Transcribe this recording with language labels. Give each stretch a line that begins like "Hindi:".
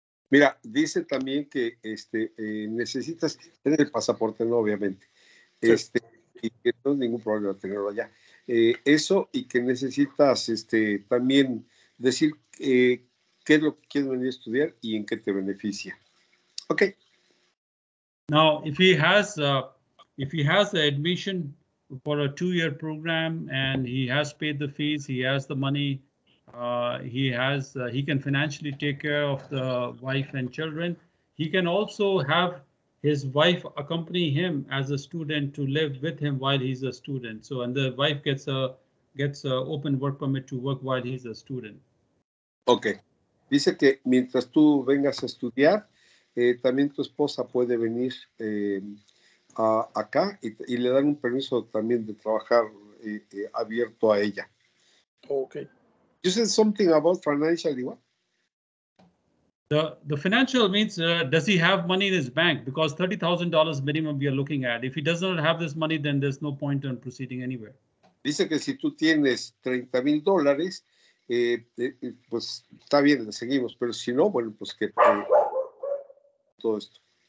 Spanish: Mira, dice también que necesitas tener el pasaporte, no, obviamente. Y que no es ningún problema tenerlo allá. Eso, y que necesitas también decir qué es lo que quieres venir a estudiar y en qué te beneficia.
English: Ok. Now, if he has the admission for a 2-year program and he has paid the fees, he has the money, he can financially take care of the wife and children. He can also have his wife accompany him as a student to live with him while he's a student. So, and the wife gets a open work permit to work while he's a student. Okay.
Spanish: Dice que mientras tú vengas a estudiar, también tu esposa puede venir acá y le dan un permiso también de trabajar abierto a ella.
English: Okay. You said something about financial, Iwa? The financial means, does he have money in his bank? Because $30,000 minimum we are looking at. If he does not have this money, then there's no point in proceeding anywhere.
Spanish: Dice que si tú tienes $30,000, pues está bien, le seguimos. Pero si no, bueno, pues que todo esto.